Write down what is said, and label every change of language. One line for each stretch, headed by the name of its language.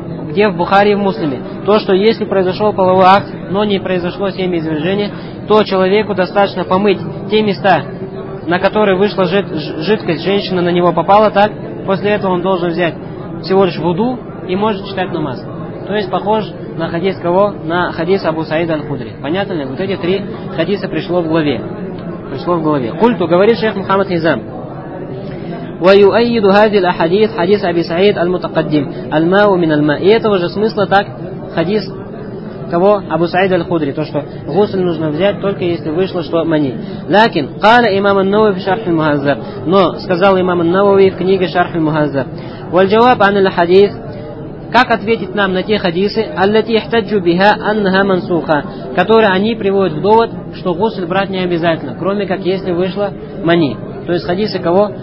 Russian: Где в Бухари и в Муслиме. То, что если произошел половой акт, но не произошло семяизвержение, то человеку достаточно помыть те места, на которые вышла жидкость, женщина на него попала, так? После этого он должен взять всего лишь вуду и может читать намаз. То есть, похож на хадис кого? На хадис Абу Саида Аль-Худри. Понятно ли? Вот эти три хадиса пришло в главе. Пришло в главе. Культу говорит шейх Мухаммад Хизам.
Arabic: وَيُؤَيِّدُ هَذِي الْأَحَدِيثِ حَدِيثَ أَبِي سَعِيدَ الْمُتَقَدِّمِ الْمَاءُ مِنَ الْمَاءِ.
Russian: И этого же смысла так хадис кого? Абу Саида Аль-Худри. То, что гусль нужно взять, только если вышло, что мани.
Arabic: لكن قال إمام النووي في شرح المهذب.
Russian: Но сказал имам Ан-Навави в книге Шарх Аль-Мухаззаб.
Arabic: والجواب عن الحديث.
Russian: Как ответить нам на те хадисы,
Arabic: التي يحتجوا بها أنها منسوخة.
Russian: Которые они приводят в довод, что гусль брать не обязательно, кроме как если вышло мани. То есть хадисы кого?